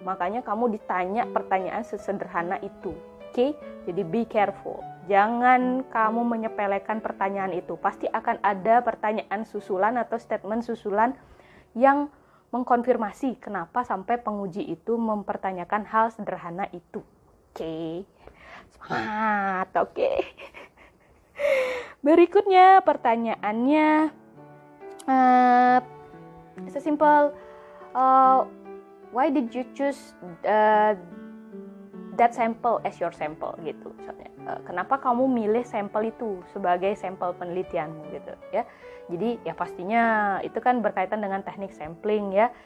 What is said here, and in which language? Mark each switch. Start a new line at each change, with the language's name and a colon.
Indonesian: Makanya kamu ditanya pertanyaan sesederhana itu. Oke? Jadi
English: be careful.
Indonesian: Jangan kamu menyepelekan pertanyaan itu. Pasti akan ada pertanyaan susulan atau statement susulan yang mengkonfirmasi kenapa sampai penguji itu mempertanyakan hal sederhana itu. Oke? Semangat, oke? Berikutnya pertanyaannya sesimpel
English: why did you choose that sample as your sample
Indonesian: gitu. Soalnya kenapa kamu milih sampel itu sebagai sampel penelitianmu gitu ya. Jadi ya pastinya itu kan berkaitan dengan teknik sampling ya.